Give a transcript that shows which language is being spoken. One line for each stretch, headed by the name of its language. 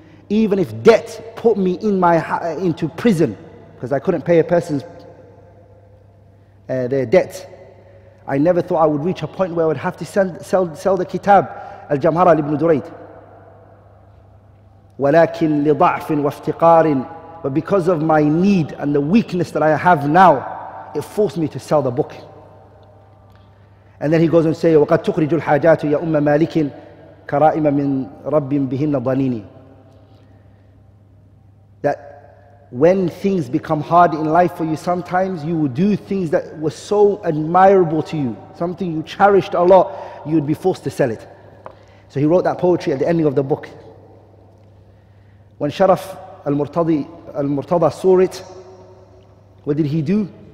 English: Even if debt put me into prison, because I couldn't pay a person's their debt, I never thought I would reach a point where I would have to sell the kitab Al-Jamhara Ibn Durayd.
Arabic: ولكن لضعف وافتقار,
English: but because of my need and the weakness that I have now, it forced me to sell the book. And then he goes and says,
Arabic: وَقَدْ تُخْرِجُ الْحَاجَاتُ يَا أُمَّ مَالِكٍ كَرَائِمَ مِنْ رَبٍ بِهِنَّ ضَنِينِ.
English: That when things become hard in life for you, sometimes you will do things that were so admirable to you, something you cherished a lot, you would be forced to sell it. So he wrote that poetry at the ending of the book. When Sharaf al-Murtada saw it, what did he do?